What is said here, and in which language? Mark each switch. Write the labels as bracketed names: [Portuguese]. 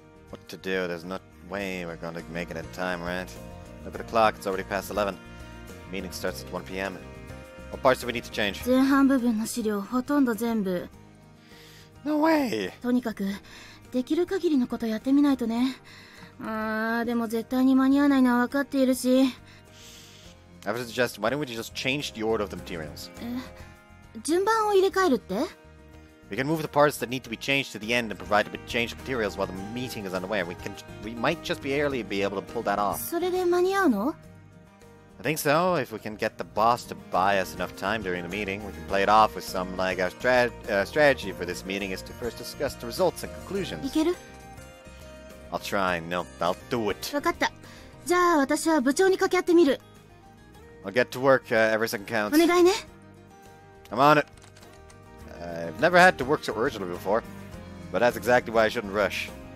[English] What to do? There's no way we're going to make it in time, right? Look at the clock. It's already past 11. Meeting starts at 1 p.m. What parts do we need to change? [Japanese] 前半部分の資料ほとんど全部。 [English] No way! [Japanese] とにかくできる限りのことやってみないとね。ああ、でも絶対に間に合わないのは分かっているし。 [English] I would suggest, why don't we just change the order of the materials? [Japanese] 順番を入れ替えるって？ [English] We can move the parts that need to be changed to the end and provide a bit changed materials while the meeting is underway. We might just barely be able to pull that off. [Japanese] それで間に合うの？ [English] I think so. If we can get the boss to buy us enough time during the meeting, we can play it off with some like a strategy for this meeting is to first discuss the results and conclusions. [Japanese] いける？ [English] I'll try. No, I'll do it. [Japanese] わかった。じゃあ私は部長に掛け合ってみる。 [English] I'll get to work. Every second counts. [Japanese] お願いね。 [English] I'm on it. I've never had to work so urgently before, but that's exactly why I shouldn't rush.